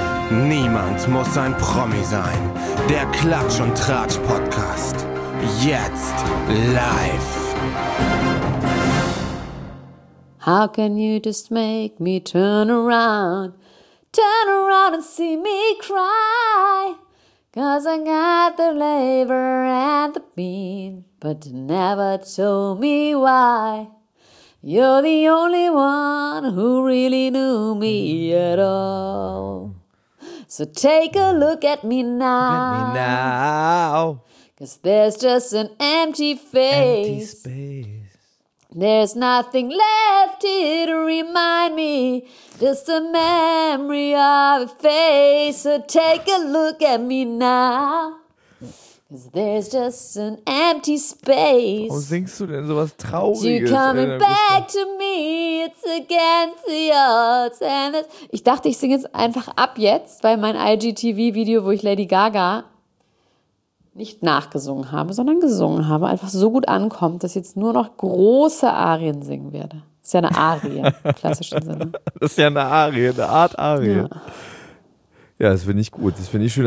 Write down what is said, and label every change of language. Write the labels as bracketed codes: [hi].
[de] Niemand muss ein Promi sein. Der Klatsch und Tratsch Podcast. Jetzt live. [en] How can you just make me turn around? Turn around and see me cry. Cause I got the labor and the pain, but you never told me why. You're the only one who really knew me at all. So take a look at me now. Look at me now. Cause there's just an empty face. Empty space. There's nothing left here to remind me. Just a memory of a face. So take a look at me now. Cause there's just an empty space. [de] Warum singst du denn sowas Trauriges? [en] You coming back to me, it's against the odds. And it's [de] ich dachte, ich singe jetzt einfach ab jetzt, weil mein IGTV-Video, wo ich Lady Gaga nicht nachgesungen habe, sondern gesungen habe, einfach so gut ankommt, dass ich jetzt nur noch große Arien singen werde. Das ist ja eine Arie, im klassischen Sinne. Das ist ja eine Arie, eine Art Arie. Ja. Ja, das finde ich gut, das finde ich schön.